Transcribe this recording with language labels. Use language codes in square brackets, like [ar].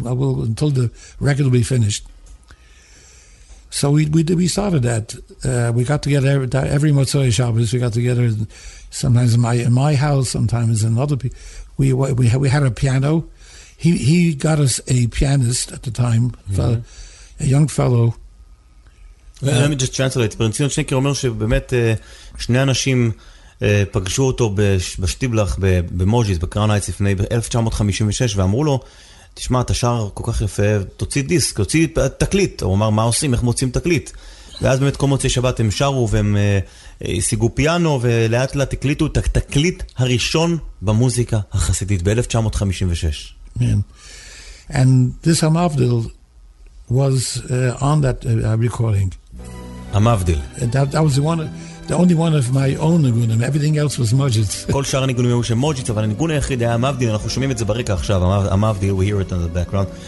[en] I will, until the record will be finished. So we started that. We got together every Motzei Shabbos. We got together sometimes in my house, sometimes in other people. We had a piano. He got us a pianist at the time, mm-hmm. a young fellow. Well, let me just translate. [he] Rav Ziv Shenker אומר שבאמת שני אנשים פגשו אותו בשטיבלך במוז'יס, בקראון הייטס לפני 1956, ואמרו לו, תשמע, אתה שר כל כך יפה, תוציא דיסק, תוציא תקליט. הוא אמר, מה עושים? איך מוצאים תקליט? ואז באמת כל מוצאי שבת הם שרו והם השיגו פיאנו, ולאט לאט הקליטו את התקליט הראשון במוזיקה החסידית ב-1956. [en] And this Amavdil was on that recording. Amavdil. That was the one... The only one of my own nigunim. Everything else was mojits. [he] כל שאר הניגונים היו של מוג'יץ, אבל הניגון היחיד היה המבדיל. אנחנו שומעים את זה ברקע עכשיו, המבדיל, [en] we hear it in the background.